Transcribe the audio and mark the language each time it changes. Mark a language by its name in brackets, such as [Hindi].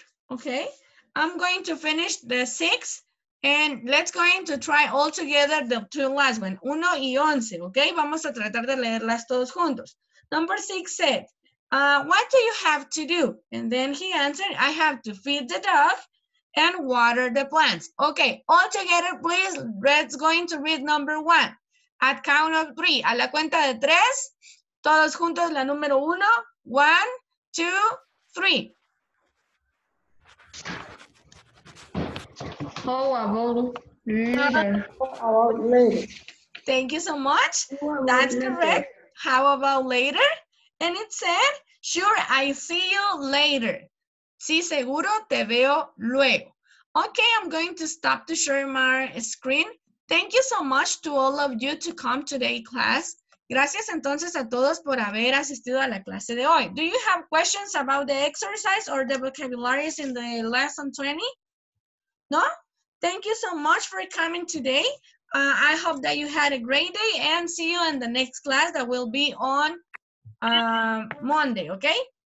[English] Okay, I'm going to finish the six and let's going to try all together the two last one, uno y once, okay? [Spanish] Vamos a tratar de leerlas todos juntos. [English] Number six said, what do you have to do? And then he answered, I have to feed the dog and water the plants. Okay, all together, please, let's going to read number one. At count of three, [Spanish] a la cuenta de tres, todos juntos la número uno. [English] One, two, three. How about later? Thank you so much. That's correct. Later? How about later? And it said, sure, I see you later. [Spanish] Sí, seguro, te veo luego. [English] Okay, I'm going to stop to share my screen. Thank you so much to all of you to come today class. [Spanish] Gracias entonces a todos por haber asistido a la clase de hoy. [English] Do you have questions about the exercise or the vocabularies in the lesson 20? No? Thank you so much for coming today. I hope that you had a great day and see you in the next class that will be on Monday, okay?